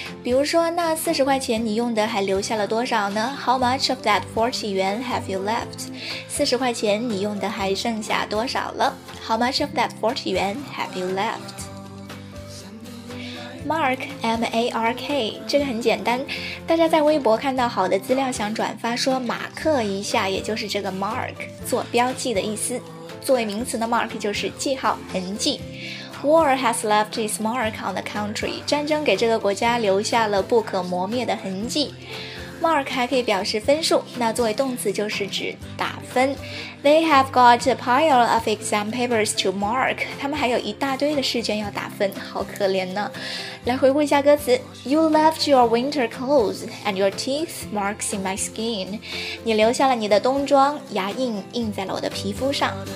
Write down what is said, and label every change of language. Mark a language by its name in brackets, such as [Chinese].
[Chinese] 比如说那40块钱你用的还留下了多少呢？ [English] How much of that 40 yuan have you left？ [Chinese] 40块钱你用的还剩下多少了？ [English] How much of that 40 yuan have you left? [Chinese] Mark, M-A-R-K， 这个很简单，大家在微博看到好的资料想转发，说马克一下，也就是这个 mark 做标记的意思。作为名词的 mark 就是记号、痕迹。 [English] War has left its mark on the country， [Chinese] 战争给这个国家留下了不可磨灭的痕迹。 mark 还可以表示分数，那作为动词就是指打分。 [English] They have got a pile of exam papers to mark. [Chinese] 他们还有一大堆的试卷要打分，好可怜呢。来回顾一下歌词 [English] ：You left your winter clothes and your teeth marks in my skin. [Chinese] 你留下了你的冬装，牙印印在了我的皮肤上。